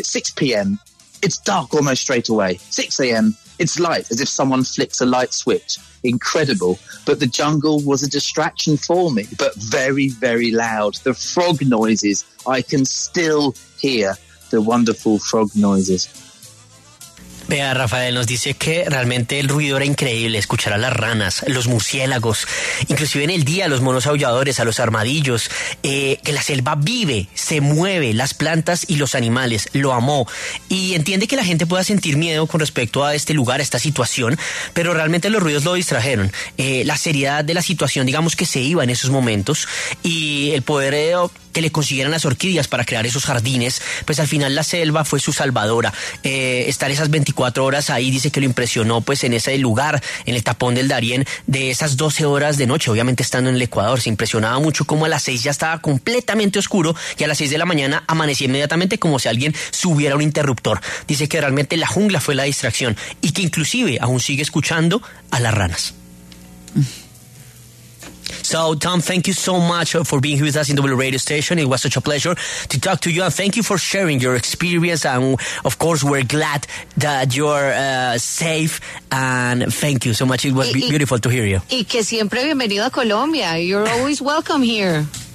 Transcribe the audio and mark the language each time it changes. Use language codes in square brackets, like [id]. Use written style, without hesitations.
[en] At 6 p.m., it's dark almost straight away. 6 a.m., it's light, as if someone flicks a light switch. Incredible. But the jungle was a distraction for me, but very, very loud. The frog noises, I can still hear the wonderful frog noises. [es] Vea, Rafael nos dice que realmente el ruido era increíble, escuchar a las ranas, los murciélagos, inclusive en el día los monos aulladores, a los armadillos, que la selva vive, se mueve, las plantas y los animales, lo amó. Y entiende que la gente pueda sentir miedo con respecto a este lugar, a esta situación, pero realmente los ruidos lo distrajeron. La seriedad de la situación, digamos que se iba en esos momentos, y el poder de... que le consiguieran las orquídeas para crear esos jardines, pues al final la selva fue su salvadora. Estar esas 24 horas ahí, dice que lo impresionó, pues en ese lugar, en el tapón del Darién, de esas 12 horas de noche, obviamente estando en el Ecuador, se impresionaba mucho cómo a las 6 ya estaba completamente oscuro y a las 6 de la mañana amanecía inmediatamente como si alguien subiera un interruptor. Dice que realmente la jungla fue la distracción y que inclusive aún sigue escuchando a las ranas. [en] So, Tom, thank you so much for being with us in the W Radio Station. It was such a pleasure to talk to you, and thank you for sharing your experience. And, of course, we're glad that you're safe, and thank you so much. It was beautiful to hear you. [es] Y que siempre bienvenido a Colombia. [en] You're always welcome here.